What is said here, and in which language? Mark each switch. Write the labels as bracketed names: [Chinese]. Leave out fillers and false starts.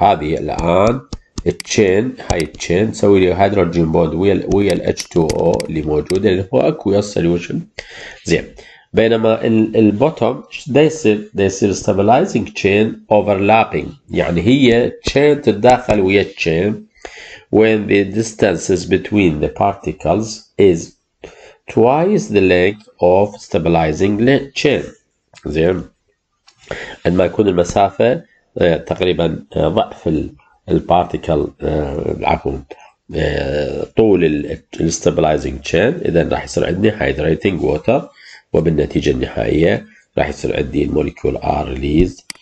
[Arabic] هذه الآن التشين، هاي التشين تسوي لي هيدروجين بوند ويا ال H2O اللي موجود اللي هو اكويس سوليوشن. زين، بينما البوتوم ايش دايصير [English] stabilising chain overlapping, [Arabic] يعني هي تشين تتداخل ويا التشين. [English] When the distances between the particles is twice the length of stabilizing chain. [Arabic] زين، عندما يكون المسافة تقريبا ضعف البارتيكل عفوا طول الاستابلايزنج تشين، اذا راح يصير عندي هايدريتنج ووتر، وبالنتيجه النهائيه راح يصير عندي [English] المولكيول are release.